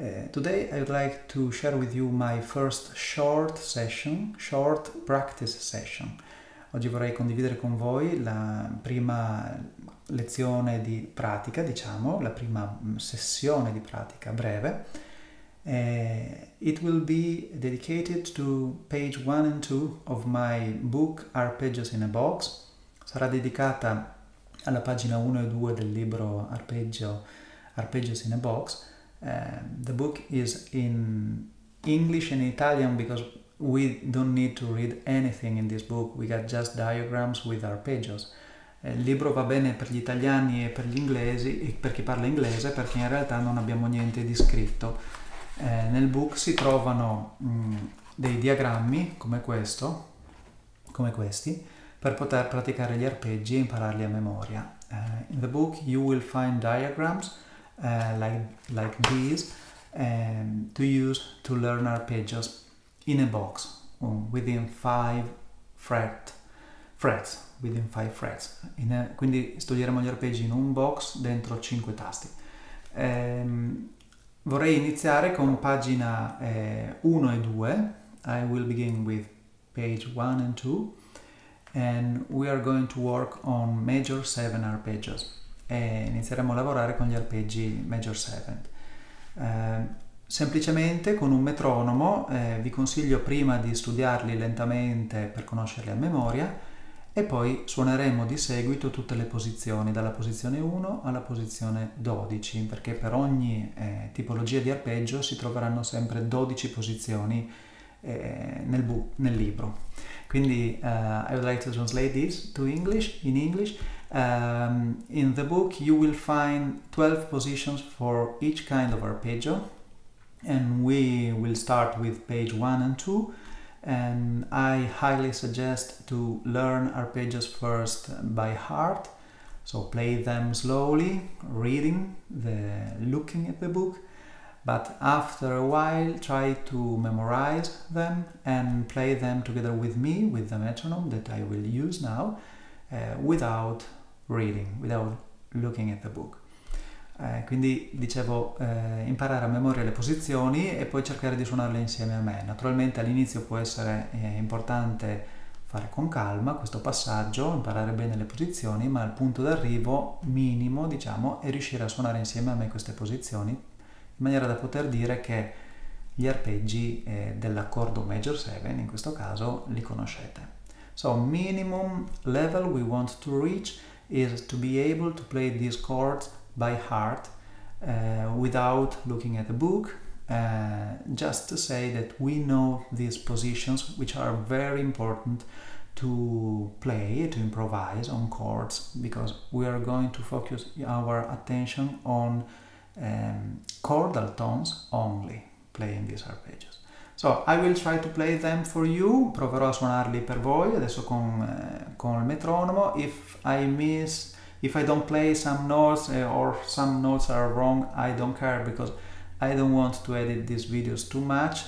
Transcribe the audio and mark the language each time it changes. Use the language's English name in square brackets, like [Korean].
[English] Today I would like to share with you my first short practice session. [Italian] Oggi vorrei condividere con voi la prima lezione di pratica, diciamo, la prima sessione di pratica breve. [English] It will be dedicated to page 1 and 2 of my book Arpeggios in a Box. [Italian] Sarà dedicata alla pagina 1 e 2 del libro Arpeggios in a Box. [English] The book is in English and Italian because we don't need to read anything in this book. We got just diagrams with arpeggios. [Italian] Il libro va bene per gli italiani e per gli inglesi e per chi parla inglese perché in realtà non abbiamo niente di scritto. Nel book si trovano dei diagrammi come questo, come questi, per poter praticare gli arpeggi e impararli a memoria. [English] In the book you will find diagrams like these to use to learn arpeggios in a box, within 5 frets, within 5 frets. [Italian] Quindi studieremo gli arpeggi in un box dentro 5 tasti. Vorrei iniziare con pagina 1 e 2. [English] I will begin with page 1 and 2. And we are going to work on major 7 arpeggios [Italian] e inizieremo a lavorare con gli arpeggi major 7. Semplicemente con un metronomo vi consiglio prima di studiarli lentamente per conoscerli a memoria e poi suoneremo di seguito tutte le posizioni, dalla posizione 1 alla posizione 12, perché per ogni tipologia di arpeggio si troveranno sempre 12 posizioni nel libro. [English] Quindi I would like to translate this to English, in English. In the book you will find 12 positions for each kind of arpeggio and we will start with page 1 and 2 and I highly suggest to learn arpeggios first by heart. So play them slowly, looking at the book. But after a while, try to memorize them and play them together with me, with the metronome that I will use now, without reading, without looking at the book. [Italian] Quindi dicevo, imparare a memoria le posizioni e poi cercare di suonarle insieme a me. Naturalmente all'inizio può essere, importante fare con calma questo passaggio, imparare bene le posizioni, ma il punto d'arrivo minimo, diciamo, è riuscire a suonare insieme a me queste posizioni. In maniera da poter dire che gli arpeggi dell'accordo major 7 in questo caso li conoscete. [English] So, minimum level we want to reach is to be able to play these chords by heart without looking at the book, just to say that we know these positions which are very important to play, to improvise on chords because we are going to focus our attention on chordal tones only playing these arpeggios. So I will try to play them for you. [Italian] Proverò a suonarli per voi adesso con il metronomo. [English] If I don't play some notes or some notes are wrong, I don't care because I don't want to edit these videos too much.